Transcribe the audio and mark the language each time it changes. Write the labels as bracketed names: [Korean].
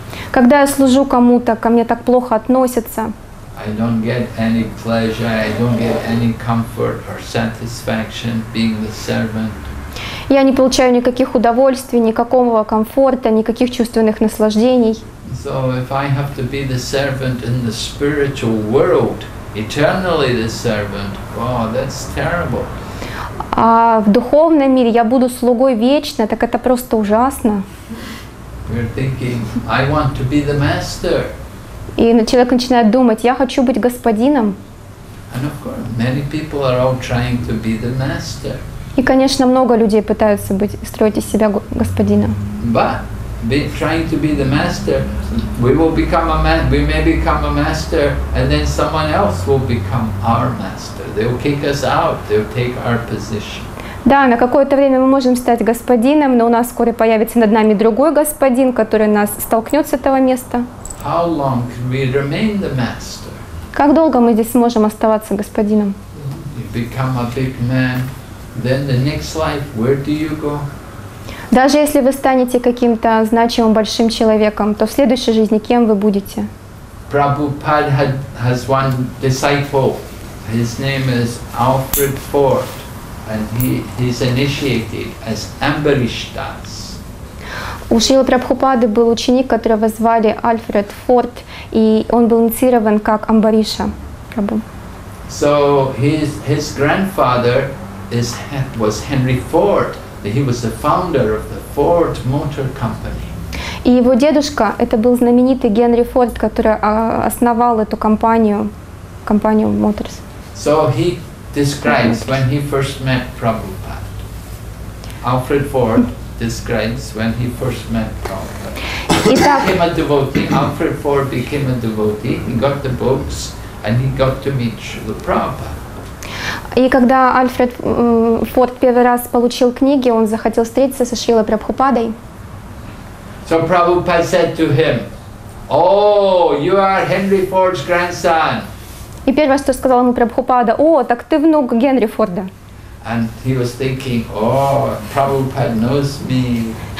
[Russian] Когда я служу кому-то, ко мне так плохо относятся. [English] I don't get any pleasure, I don't get any comfort or satisfaction being the servant. [Russian] Я не получаю никаких удовольствий, никакого комфорта, никаких чувственных наслаждений. [English] So if I have to be the servant in the spiritual world, eternally the servant, wow, that's terrible. [Russian] А в духовном мире я буду слугой вечно, так это просто ужасно. [English] We're thinking, I want to be the master. [Russian] И человек начинает думать, я хочу быть господином. [English] And of course, many people are all trying to be the master. [Russian] И, конечно, много людей пытаются строить из себя господина. [English] But trying to be the master, we will become a man, we may become a master, and then someone else will become our master. They'll kick us out, they'll take our position. [Russian] Да, на какое-то время мы можем стать господином, но у нас скоро появится над нами другой господин, который нас столкнет с этого места. [English] How long can we remain the master? [Russian] Как долго мы здесь сможем оставаться господином? [English] You become a big man, then the next life, where do you go? [Russian] Даже если вы станете каким-то значимым большим человеком, то в следующей жизни кем вы будете? [English] Prabhupada has one disciple. His name is Alfred Fort, and he's initiated as Ambarish Das. [Russian] У Шрилы Прабхупады был ученик, которого звали Альфред Форд, и он был инициирован как Амбариша. [English] So his grandfather was Henry Ford. He was the founder of the Ford Motor Company. [Russian] И его дедушка, это был знаменитый Генри Форд, который основал эту компанию Motors. [English] So he describes when he first met Prabhupada. Alfred Ford describes when he first met Prabhupada. He became a devotee. Alfred Ford became a devotee. He got the books and he got to meet Srila Prabhupada. [Russian] И когда Альфред Форд первый раз получил книги, он захотел встретиться со Шрилой Прабхупадой. [English] So Prabhupada said to him, "Oh, you are Henry Ford's grandson." [Russian] И первое, что сказал ему Прабхупада, "О, так ты внук Генри Форда." [English] And he was thinking, "Oh, Prabhupada knows me."